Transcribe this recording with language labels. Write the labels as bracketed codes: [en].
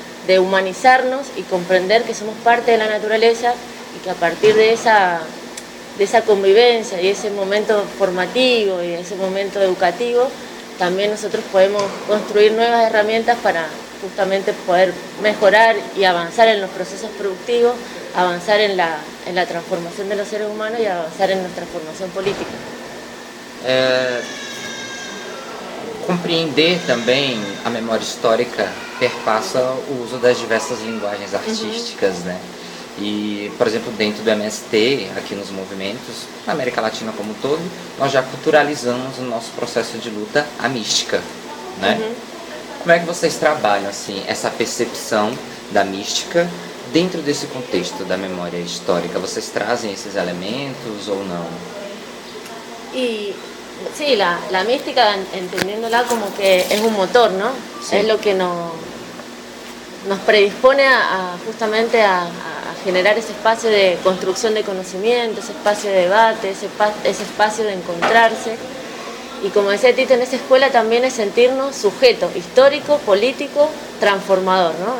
[es] De humanizarnos y comprender que somos parte de la naturaleza y que a partir de esa convivencia y ese momento formativo y ese momento educativo, también nosotros podemos construir nuevas herramientas para justamente poder mejorar y avanzar en los procesos productivos, avanzar en la transformación de los seres humanos y avanzar en nuestra formación política. Compreender también la memoria histórica perpasa el uso de las diversas lenguajes artísticas, ¿no? [pt] E, por exemplo, dentro do MST, aqui nos movimentos, na América Latina como um todo, nós já culturalizamos o nosso processo de luta à mística, né? Uhum. Como é que vocês trabalham, assim, essa percepção da mística dentro desse contexto da memória histórica? Vocês trazem esses elementos ou não? E, sim, la mística, entendendo-la como que é um motor, não? É o que nos [es] predispone a generar ese espacio de construcción de conocimiento, ese espacio de debate, ese espacio de encontrarse. Y como decía Tito, en esa escuela también es sentirnos sujeto histórico, político, transformador, ¿no?